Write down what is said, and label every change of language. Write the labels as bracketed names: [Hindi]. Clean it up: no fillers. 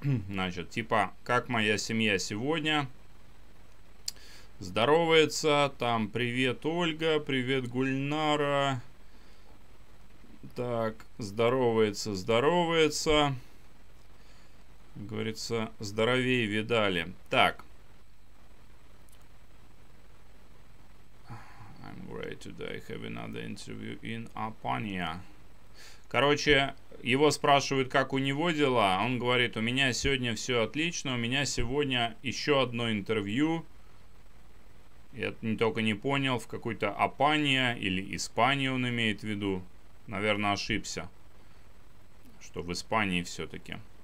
[Russian] Значит, типа, как моя семья сегодня? Здоровается, там, привет, Ольга, привет, Гульнара. Так, здоровается. Говорится, здоровее видали. Так. [English] I'm great today. I have another interview in Apania. [Russian] Короче, его спрашивают, как у него дела. Он говорит, у меня сегодня все отлично. У меня сегодня еще одно интервью. Я только не понял, в какой-то Апания или Испании он имеет в виду. Наверное, ошибся, что в Испании все-таки.